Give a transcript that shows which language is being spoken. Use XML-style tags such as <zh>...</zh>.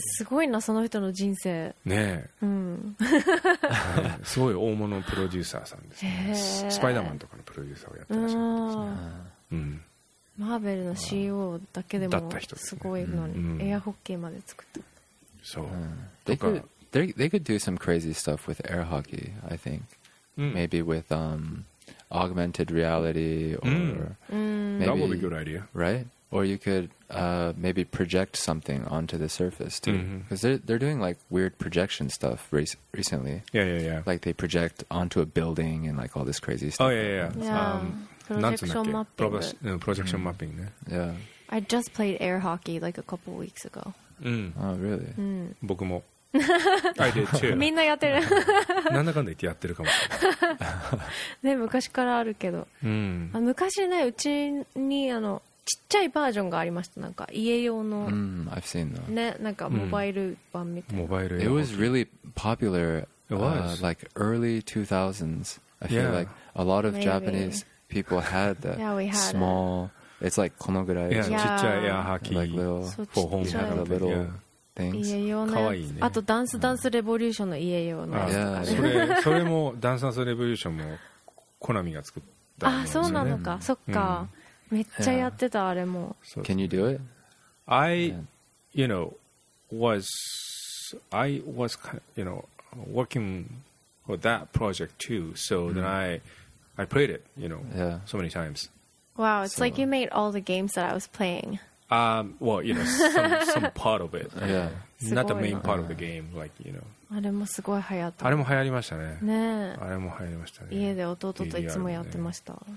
<ja>すごいな、その人の人生。ねえ。うん。すごい大物のプロデューサーさんですね。スパイダーマンとかのプロデューサーをやってらっしゃるんですね。マーベルの CEO だけでもすごいのに、エアホッケーまで作った。そう。</ja> <en>They could do some crazy stuff with air hockey, I think. Maybe with augmented reality or maybe, that would be a good idea, right? Or you could maybe project something onto the surface too, because they're doing like weird projection stuff recently. Yeah. Like they project onto a building and like all this crazy stuff. Projection mapping. Yeah. I just played air hockey like a couple weeks ago. Oh really?</en> <ja>僕も。</ja> <en>I did too.</en> <ja>みんなやってる。なんだかんだ言ってやってるかもしれない。ね、昔からあるけど。うん、昔ね、うちにちっちゃいバージョンがありました。なんか家用の。</ja> <en>I've seen that.</en> <ja>ね、なんかモバイル版みたいな。モバイル。</ja> <en>It was really popular. It was like early 2000s. I feel like a lot of Japanese people had the small. It's like</en> <ja>このぐらい。ちっちゃいエアハッキー。</ja> <en>Like little for home. Yeah. Had a little. Yeah. things.</en> <ja>あとダンスダンスレボリューションのイエヨーのやつとか、ね、それもダンスダンスレボリューションもコナミが作ったあ、ね、あそうなのか、うん、そっか、うん、めっちゃやってた、yeah. あれも。</ja> <en>So, can you do it? I, you know, was you know, working for that project too. So then I played it, you know, yeah. so many times. Wow, it's so, like you made all the games that I was playing. Well, you know, some part of it. Yeah. Not the main part of the game, like, you know.</en> <ja>あれもすごい流行った。あれも流行りましたね。ね。あれも流行りましたね。家で弟といつもやってました。</ja>